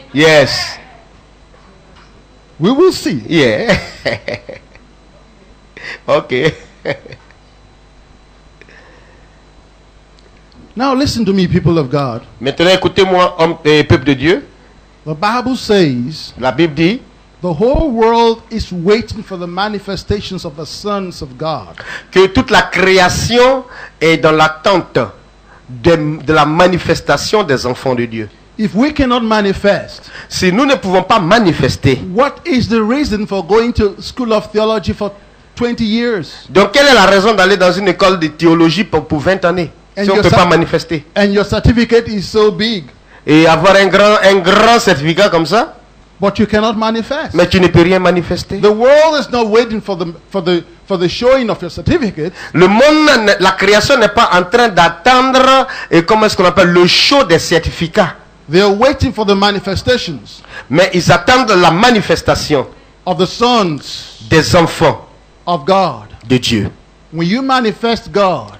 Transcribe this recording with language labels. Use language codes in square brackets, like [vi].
[en] Yes. We will see. Yeah. Ok. Now listen to me, people of God. [fr] Maintenant écoutez-moi, homme et peuple de Dieu. [en] The Bible says, [fr] la Bible dit, [en] the whole world is waiting for the manifestations of the sons of God. [fr] Que toute la création est dans l'attente de la manifestation des enfants de Dieu. [en] If we cannot manifest, [fr] si nous ne pouvons pas manifester, [en] what is the reason for going to school of theology for 20 years? [fr] Donc quelle est la raison d'aller dans une école de théologie pour 20 années and si on ne peut pas manifester? [en] And your certificate is so big. [fr] Et avoir un grand certificat comme ça? [en] But you cannot manifest. [fr] Mais tu ne peux rien manifester. [en] The world is not waiting for the showing of your certificate. [fr] Le monde, la création n'est pas en train d'attendre et comment est-ce qu'on appelle le show des certificats. [en] They are waiting for the manifestations. [fr] Mais ils attendent la manifestation [en] of the sons [fr] des enfants [en] of God. [fr] De Dieu. [en] When you manifest God,